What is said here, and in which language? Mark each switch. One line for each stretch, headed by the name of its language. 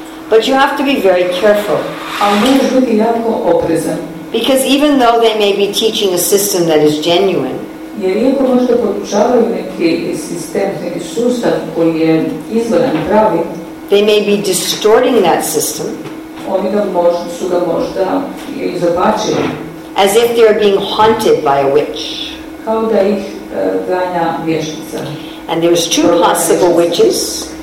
English: But you have to be very careful.
Croatian: Ali možeš biti jako oprezan.
English: Because even though they may be teaching a system that is genuine,
Croatian: jer iako možda podučavaju neki sistem, neki sustav koji je izvoran pravi,
English: they may be distorting that system.
Croatian: Oni ga možda, su ga možda i zabačili.
English: As if they are being haunted by a witch.
Croatian: Kao da ih ganja vještica.
English: And there's two possible witches.